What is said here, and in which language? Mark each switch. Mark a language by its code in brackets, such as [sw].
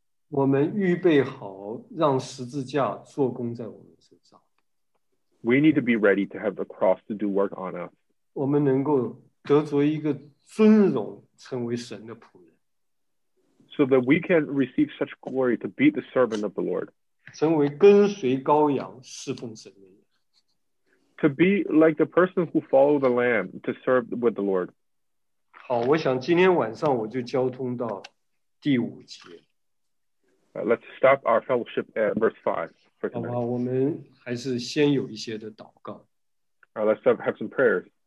[zh] 我们预备好让十字架做工在我们身上。 [en] We need to be ready to have the cross to do work on us. [zh] 我们能够得着一个尊荣，成为神的仆人。 [en] So that we can receive such glory to be the servant of the Lord. [zh] 成为跟随羔羊侍奉神的人。 [en] To be like the person who follows the Lamb to serve with the Lord. [zh] 好，我想今天晚上我就交通到第五节。 [en] Let's stop our fellowship at verse 5 for tonight. [zh] 好吧，我们还是先有一些的祷告。 [en] Let's have some prayers.